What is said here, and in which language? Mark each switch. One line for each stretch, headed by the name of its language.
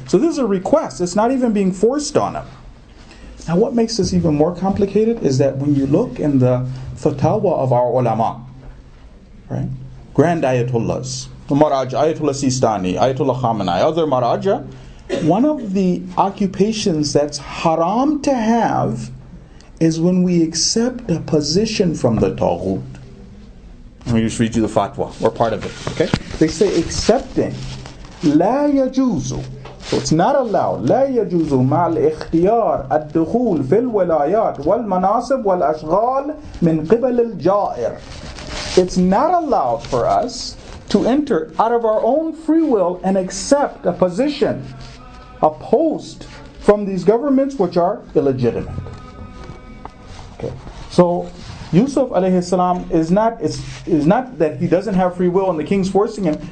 English: So this is a request, it's not even being forced on him. Now what makes this even more complicated is that when you look in the fatawa of our ulama, right, grand ayatollahs, the maraj, Ayatollah Sistani, Ayatollah Khamenei, other maraja, one of the occupations that's haram to have is when we accept a position from the taghut. Let me just read you the fatwa, or part of it, okay? They say accepting,
Arabic: la yajuzu.
English: So it's not allowed.
Arabic: لا يجوز مع الاختيار الدخول في الولايات والمناصب والأشغال من قبل الجائر.
English: It's not allowed for us to enter out of our own free will and accept a position, a post from these governments which are illegitimate. Okay. So Yusuf alayhi salam is not that he doesn't have free will and the king's forcing him.